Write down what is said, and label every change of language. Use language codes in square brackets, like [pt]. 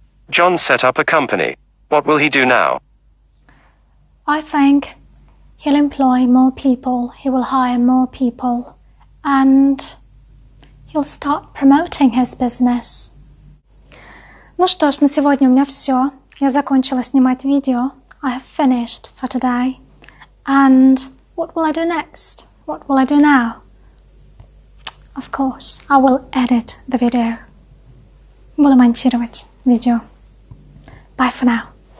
[en] John set up a company. What will he do now? I think he'll employ more people. He will hire more people. And he'll start promoting his business. [ru] Ну что ж, на сегодня у меня все. Я закончила снимать видео. [en] I have finished for today. And what will I do next? What will I do now? Of course, I will edit the video. [ru] Буду монтировать видео. [en] Bye for now.